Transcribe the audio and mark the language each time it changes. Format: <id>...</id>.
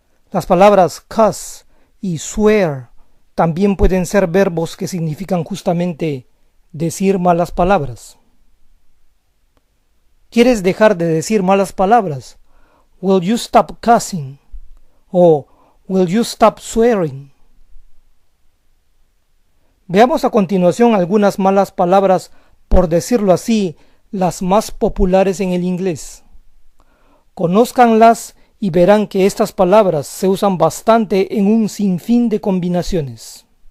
<es>Las palabras cuss y swear también pueden ser verbos que significan justamente decir malas palabras. ¿Quieres dejar de decir malas palabras?</es> <en>Will you stop cussing? O will you stop swearing?</en> <es>Veamos a continuación algunas malas palabras, por decirlo así, las más populares en el inglés. Conózcanlas y verán que estas palabras se usan bastante en un sinfín de combinaciones.</es>